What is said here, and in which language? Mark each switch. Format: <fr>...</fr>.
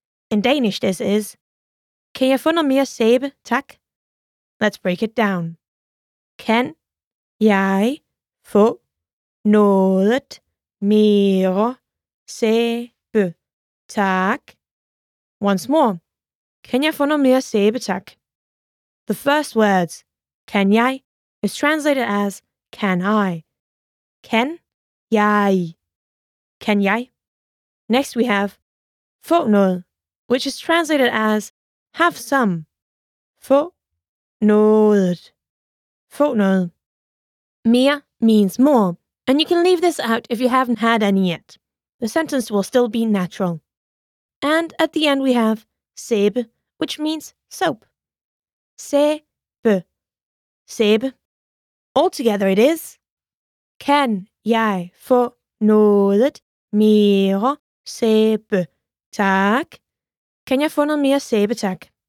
<en>In Danish, this is,</en> <da>kan jeg få noget mere sæbe, tak?</da> <en>Let's break it down.</en> <da>Kan jeg få noget mere sæbe, tak?</da> <en>Once more.</en> <da>Kan jeg få noget mere sæbe, tak?</da> <en>The first words,</en> <da>kan jeg,</da> <en>is translated as can I.</en> <da>Kan jeg. Kan jeg.</da> <en>Next we have</en> <da>få noget,</da> <en>which is translated as have some.</en> <da>Få noget. Få noget.</da> <en>Mere means more, and you can leave this out if you haven't had any yet. The sentence will still be natural. And at the end we have sæbe, which means soap.</en> <da>Sæbe. Sæbe.</da> <en>Altogether it is,</en> <da>kan jeg få noget mere sæbe, tak? Kan jeg få noget mere sæbe, tak?</da>